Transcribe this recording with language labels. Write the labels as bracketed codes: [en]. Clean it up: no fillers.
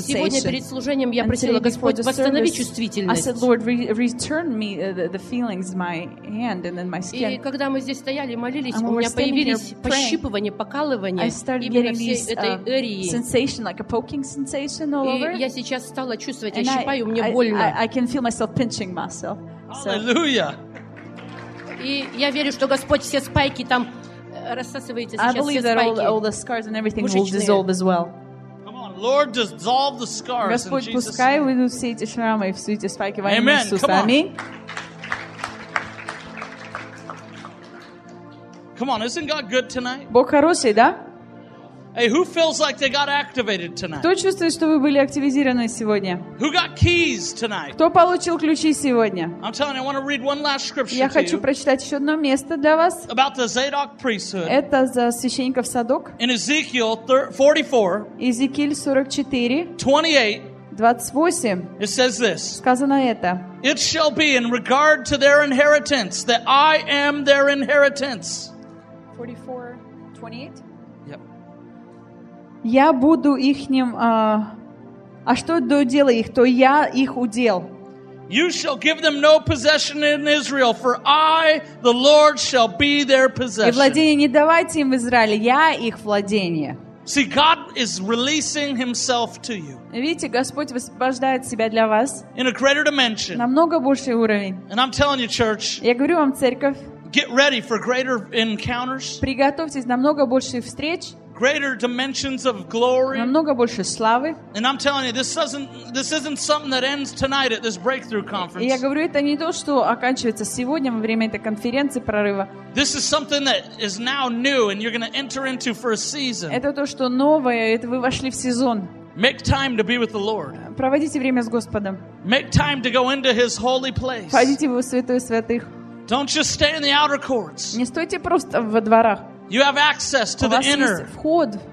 [ru] И сегодня перед служением я просила Господь восстановить чувствительность. [en] I said, Lord, return me the feelings, my hand and then my skin. [ru] И когда мы здесь стояли, молились, у меня появились прыщи. пощипывание, покалывание [en] sensation, like a poking sensation all over. [ru] И я сейчас стала чувствовать, я щипаю, мне больно. [en] I can feel myself pinching myself. Hallelujah. [ru] И я верю, что Господь все спайки там рассасывает сейчас, [en] I believe that all the scars and everything will dissolve as well. Lord, dissolve the scars. [ru] Господь, [en] in [ru] пускай [en] Jesus' [ru] выйдут все эти шрамы и все эти спайки во имя Иисуса. Аминь. [en] Come on, isn't God good tonight? [ru] Бог хороший, да? [en] Hey, who feels like they got activated tonight? [ru] Кто чувствует, что вы были активизированы сегодня? [en] Who got keys tonight? [ru] Кто получил ключи сегодня? [en] I'm telling you, I want to read one last scripture. [ru] Я хочу прочитать еще одно место для вас. [en] About the Zadok priesthood. [ru] Это за священников Садок. [en] In Ezekiel 44. [ru] Иезекииль 44. 28. 28. [en] It says this. [ru] Сказано это. [en] It shall be in regard to their inheritance that I am their inheritance. 44:28. [ru] Я буду ихним, а что до дела их, то я их удел. [en] You shall give them no possession in Israel, for I, the Lord, shall be their possession. [ru] И владение не давайте им в Израиле, я их владение. [en] See, God is releasing Himself to you. [ru] Видите, Господь высвобождает себя для вас. [en] In a greater dimension. [ru] Намного больший уровень. [en] And I'm telling you, church. [ru] Я говорю вам, церковь. [en] Get ready for greater encounters. [ru] Приготовьтесь намного больше встреч. [en] Greater dimensions of glory. [ru] Намного больше славы. [en] And I'm telling you, this isn't something that ends tonight at this breakthrough conference. [ru] Я говорю, это не то, что оканчивается сегодня во время этой конференции прорыва. [en] This is something that is now new, and you're going to enter into for a season. [ru] Это то, что новое, это вы вошли в сезон. [en] Make time to be with the Lord. [ru] Проводите время с Господом. [en] Make time to go into His holy place. [ru] Входите в святую святых. [en] Don't just stay in the outer courts. [ru] Не стойте просто во дворах. [en] You have access to the inner. [ru] Вход